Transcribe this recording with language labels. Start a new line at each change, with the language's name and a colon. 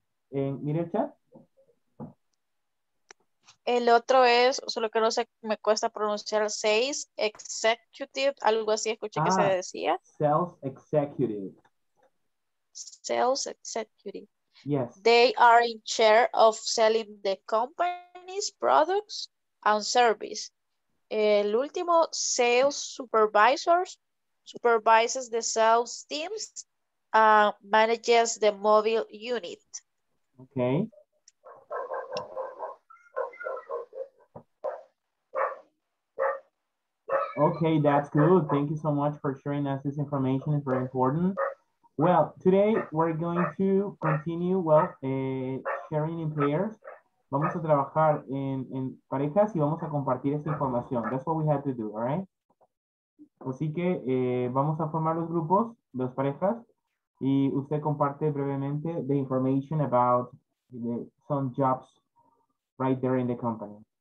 Spanish: Mire el chat. El otro es, solo que no sé, me cuesta pronunciar, sales executive, algo así, escuché que se decía.
English: Sales executive. Sales executive. Yes. They are in charge of selling the company's products and service.
Spanish: El último,
English: sales supervisors, supervises the sales teams, manages the mobile unit. Okay. Okay, that's good. Thank you so much for sharing us this information. It's very important. Well, today we're going to continue, well, sharing in pairs.
Spanish: Vamos a trabajar en parejas y vamos a compartir esta información.
English: That's what we had to do, all right?
Spanish: Así que vamos a formar los grupos, las parejas, y usted comparte brevemente
English: the information about the, some jobs right there in the company.